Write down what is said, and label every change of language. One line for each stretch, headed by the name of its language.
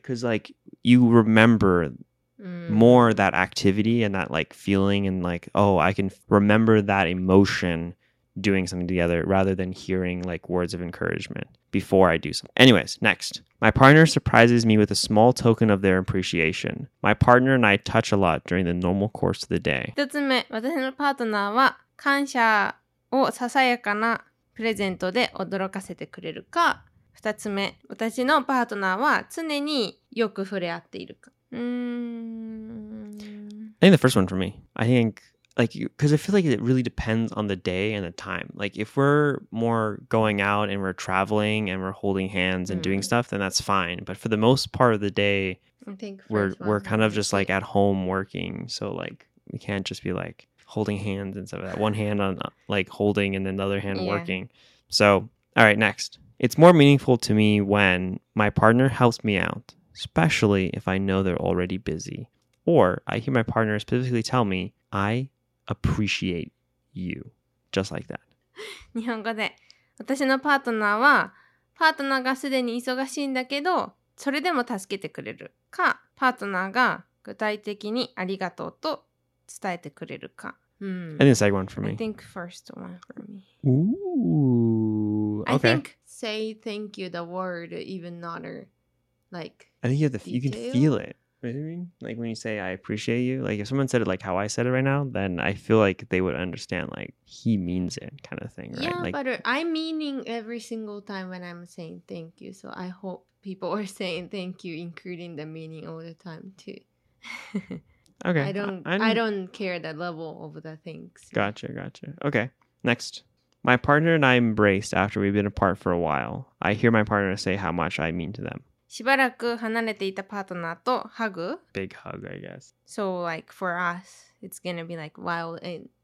English: Because like you remember more that activity and that like feeling and like, oh, I can remember that emotion doing something together rather than hearing like words of encouragement before I do something. Anyways, next. My partner surprises me with a small token of their appreciation. My partner and I touch a lot during the normal course of the day.
Japanese: 一つ目、私のパートナーは感謝をささやかなプレゼントで驚かせてくれるか。二つ目、私のパートナーは常によく触れ合っているか。
English: I think the first one for me. I think, like, because I feel like it really depends on the day and the time. Like, if we're more going out and we're traveling and we're holding hands and doing stuff, then that's fine. But for the most part of the day, I think we're kind of just, like, at home working. So, like, we can't just be, like, holding hands and stuff like that. One hand on, like, holding and then the other hand working. So, all right, next. It's more meaningful to me when my partner helps me out, especially if I know they're already busy. Or I hear my partner specifically tell me, I appreciate you. Just like that.
Japanese: 日本語で、私のパートナーは、パートナーがすでに忙しいんだけど、それでも助けてくれるか、パートナーが具体的にありがとうと伝えてくれるか。
English: I think the second one for me. I think first one for me. Ooh, okay. I think say thank you the word even not a, like, I think you, have the, you can feel it. You know what I mean? Like when you say I appreciate you, like if someone said it like how I said it right now, then I feel like they would understand like he means it kind of thing, right? Yeah, like, but I'm meaning every single time when I'm saying thank you. So I hope people are saying thank you, including the meaning all the time too. Okay. I don't care the level of the things. Gotcha. Okay. Next. My partner and I embraced after we've been apart for a while. I hear my partner say how much I mean to them.
Japanese: しばらく離れていたパートナーとハグ。
English: Big hug, I guess. So, like, for us, it's gonna be, like, while in